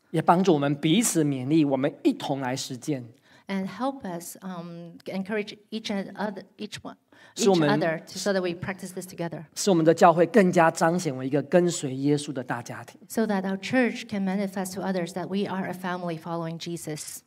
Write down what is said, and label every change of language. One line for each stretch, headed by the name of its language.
Chinese: 也帮助我们彼此勉励，我们一同来实践。
English: And help us encourage each other so that we practice this together.
Chinese: 使我们的教会更加彰显为一个跟随耶稣的大家庭。
English: So that our church can manifest to others that we are a family following Jesus.